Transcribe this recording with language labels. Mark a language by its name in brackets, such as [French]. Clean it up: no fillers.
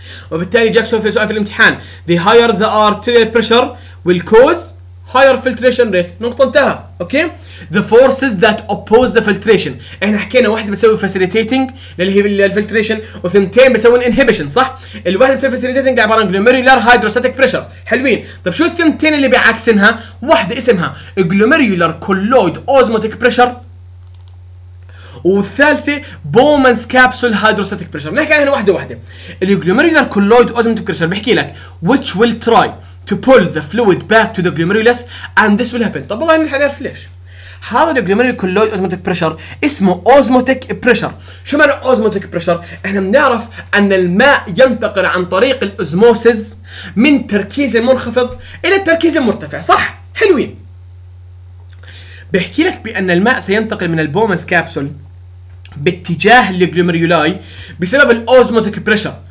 [Arabic] وبالتالي جاك سؤال في سؤال في الامتحان [English] the higher the arterial pressure will cause higher filtration rate، [Arabic] نقطة انتهى، اوكي؟ [English] The forces that oppose the filtration، [Arabic] احنا حكينا واحدة بتسوي facilitating اللي هي الفلتريشن، وثنتين بتسوي inhibition، صح؟ الواحدة بتسوي facilitating عبارة عن glomerular hydrostatic pressure، حلوين؟ طب شو الثنتين اللي بيعكسنها؟ واحدة اسمها glomerular colloid osmotic pressure، والثالثة Bowman's capsule hydrostatic pressure، نحكي عنها واحدة واحدة. [English] الglomerular colloid osmotic pressure [Arabic] بحكي لك [English] which will try to pull the fluid back to the glomerulus and this will happen. [Arabic] طب والله احنا حنعرف ليش هذا الجلوميرولر كولويد اوزموتيك بريشر [English] اسمه osmotic pressure. [Arabic] شو معنى اوزموتيك بريشر؟ احنا بنعرف ان الماء ينتقل عن طريق الاوزموسيس من تركيز منخفض الى التركيز المرتفع، صح؟ حلوين. بحكي لك بان الماء سينتقل من البومس كابسول باتجاه الجلوميرولاي بسبب الاوزموتيك بريشر.